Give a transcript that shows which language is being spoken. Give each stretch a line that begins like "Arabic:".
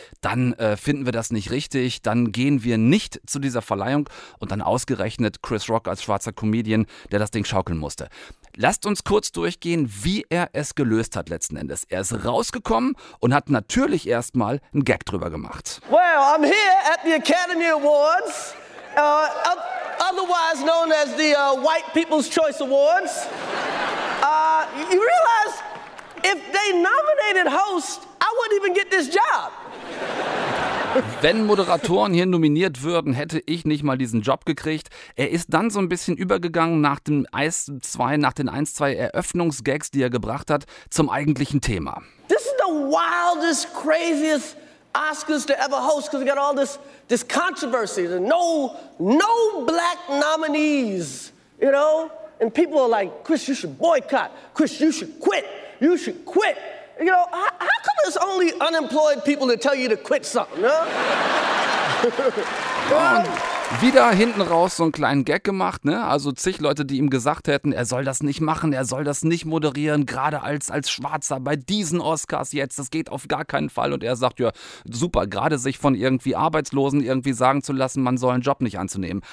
German: dann finden wir das nicht richtig, dann gehen wir nicht zu dieser Verleihung und dann ausgerechnet Chris Rock als schwarzer Comedian, der das Ding schaukeln musste. Lasst uns kurz durchgehen, wie er es gelöst hat letzten Endes. Er ist rausgekommen und hat natürlich erstmal einen Gag drüber gemacht.
English: Well, I'm here at the Academy Awards, otherwise known as the White People's Choice Awards. You realize, if they nominated host, I wouldn't even get this job.
German: Wenn Moderatoren hier nominiert würden, hätte ich nicht mal diesen Job gekriegt. Er ist dann so ein bisschen übergegangen nach den 1-2 Eröffnungsgags, die er gebracht hat, zum eigentlichen Thema.
English: This is the wildest, craziest Oscars to ever host, because we got all this controversy. No black nominees, you know? And people are like, Chris, you should boycott. Chris, you should quit. You should quit. You know, how come it's only unemployed people to tell you to quit something, huh?
German: Und wieder hinten raus so einen kleinen Gag gemacht, ne? Also zig Leute, die ihm gesagt hätten, er soll das nicht machen, er soll das nicht moderieren, gerade als Schwarzer bei diesen Oscars jetzt, das geht auf gar keinen Fall. Und er sagt, ja, super, gerade sich von irgendwie Arbeitslosen irgendwie sagen zu lassen, man soll einen Job nicht anzunehmen.